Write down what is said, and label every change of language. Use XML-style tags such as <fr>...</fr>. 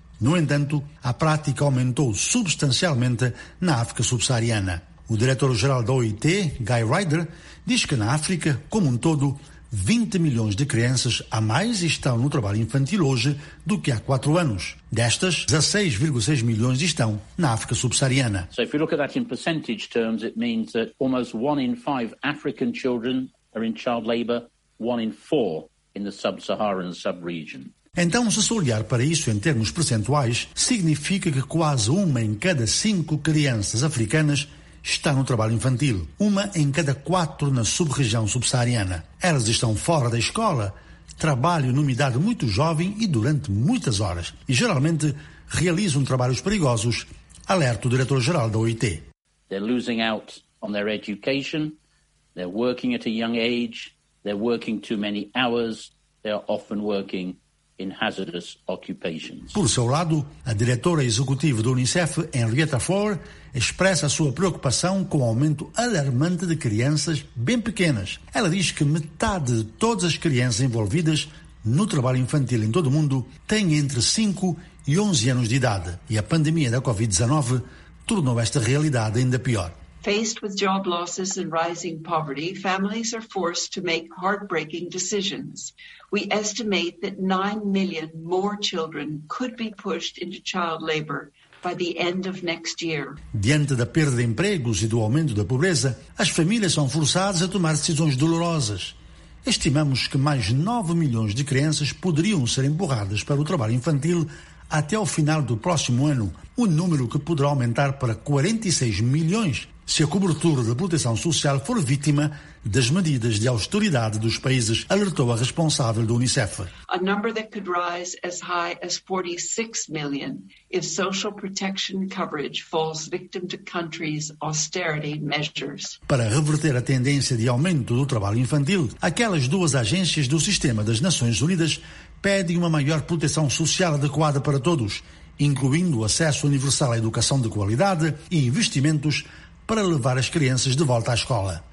<pt>No entanto, a prática aumentou substancialmente na África subsaariana. O diretor-geral da OIT, Guy Ryder, diz que na África, como um todo, 20 milhões de crianças a mais estão no trabalho infantil hoje do que há 4 anos. Destas, 16,6 milhões estão na África subsaariana.</pt> <en>So if you look at that in percentage terms, it means that almost 1 in 5 African children are in child labor, 1 in 4 in the sub-Saharan sub-region.</en> <pt>Então, se só olhar para isso em termos percentuais, significa que quase 1 em cada 5 crianças africanas está no trabalho infantil, 1 em cada 4 na sub-região subsaariana. Elas estão fora da escola, trabalham numa idade muito jovem e durante muitas horas, e geralmente realizam trabalhos perigosos, alerta o diretor-geral da OIT.</pt> <en>They're losing out on their education, they're working at a young age, they're working too many hours, they're often working in hazardous occupations.</en> <pt>Por seu lado, a diretora executiva do UNICEF, Henrietta Fore, expressa a sua preocupação com o aumento alarmante de crianças bem pequenas. Ela diz que metade de todas as crianças envolvidas no trabalho infantil em todo o mundo têm entre 5 e 11 anos de idade. E a pandemia da Covid-19 tornou esta realidade ainda pior.</pt> <en>Faced with job losses and rising poverty, families are forced to make heartbreaking decisions. We estimate that 9 million more children could be pushed into child labor by the end of next year.</en> <pt>Diante da perda de empregos e do aumento da pobreza, as famílias são forçadas a tomar decisões dolorosas. Estimamos que mais 9 milhões de crianças poderiam ser empurradas para o trabalho infantil até ao final do próximo ano, um número que poderá aumentar para 46 milhões se a cobertura da proteção social for vítima das medidas de austeridade dos países, alertou a responsável do UNICEF.</pt> <en>A number that could rise as high as 46 million if social protection coverage falls victim to countries' austerity measures.</en> <pt>Para reverter a tendência de aumento do trabalho infantil, aquelas duas agências do sistema das Nações Unidas pedem uma maior proteção social adequada para todos, incluindo o acesso universal à educação de qualidade e investimentos para levar as crianças de volta à escola.</pt>